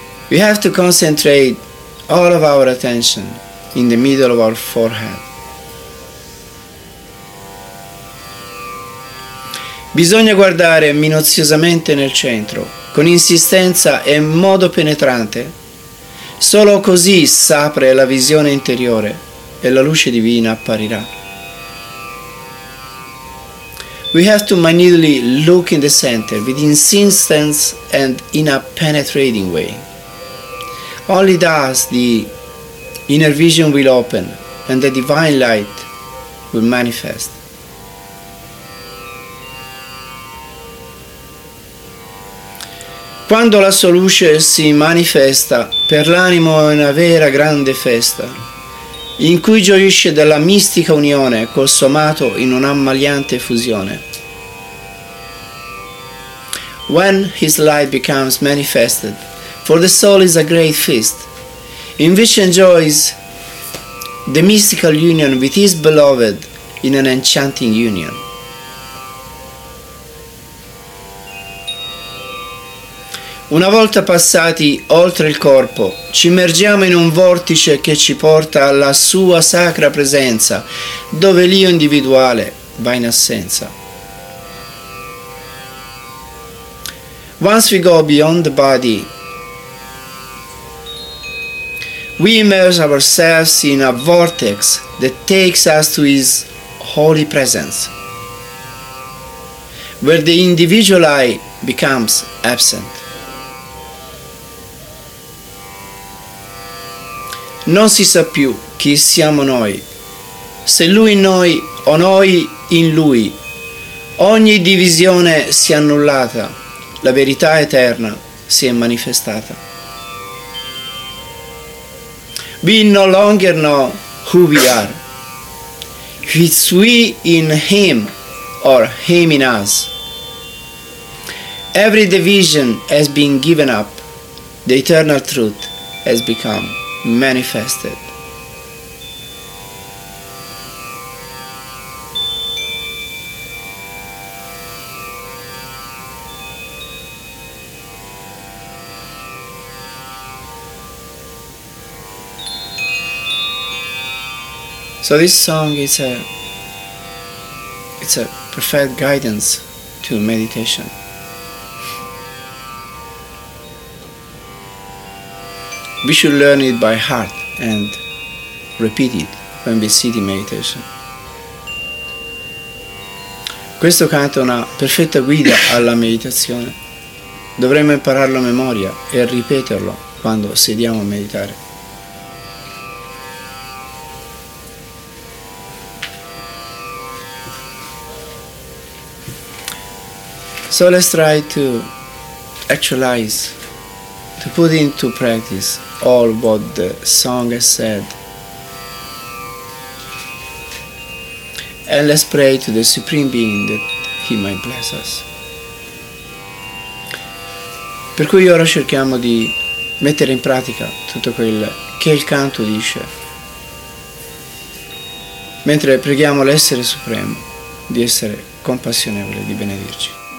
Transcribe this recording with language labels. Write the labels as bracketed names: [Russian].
[English] We have to concentrate all of our attention in the middle of our forehead. [Italian] Bisogna guardare minuziosamente nel centro, con insistenza e in modo penetrante. Solo così s'apre la visione interiore e la luce divina apparirà. [English] We have to minutely look in the center with insistence and in a penetrating way. Only thus the inner vision will open and the divine light will manifest. [Italian] Quando la sua luce si manifesta, per l'animo è una vera grande festa, in cui gioisce della mistica unione col suo amato in un'ammaliante fusione. [English] When his light becomes manifested, for the soul is a great feast, in which enjoys the mystical union with his beloved in an enchanting union. [Italian] Una volta passati oltre il corpo, ci immergiamo in un vortice che ci porta alla sua sacra presenza, dove l'io individuale va in assenza. [English] Once we go beyond the body, we immerse ourselves in a vortex that takes us to his holy presence, where the individual I becomes absent. [Italian] Non si sa più chi siamo noi, se lui in noi o noi in lui. Ogni divisione si è annullata, la verità eterna si è manifestata. [English] We no longer know who we are, if it's we in him or him in us. Every division has been given up, the eternal truth has become manifested. So this song is a perfect guidance to meditation. We should learn it by heart and repeat it when we sit in meditation. [Italian] Questo canto è una perfetta guida alla meditazione. Dovremmo impararlo a memoria e ripeterlo quando sediamo a meditare. [English] So let's try to actualize, to put into practice all what the song has said. And let's pray to the Supreme Being that he might bless us. [Italian] Per cui ora cerchiamo di mettere in pratica tutto quel che il canto dice. mentre preghiamo l'essere supremo di essere compassionevole e di benedirci.